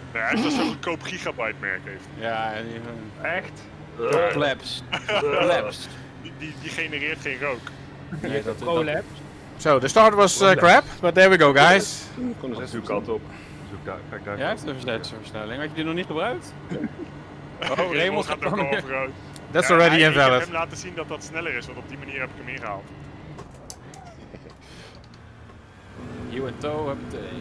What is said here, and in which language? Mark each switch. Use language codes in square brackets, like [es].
[nl] Ja, hij is dat zo'n goedkoop gigabyte merk heeft. Ja, echt? Prolapse. Prolapse. Die genereert geen rook. Nee, dat prolapse. Zo, de start was crap, [en] but there we go, guys. [nl] Ik kon een zoekkant op. Ja, hij heeft een versnelling. Had je die nog niet gebruikt? Oh, Raymond gaat ook al overgroot. [en] That's already invalid. [nl] Ik heb hem laten zien dat sneller is, want op die manier heb ik hem ingehaald. You and Toe, heb het.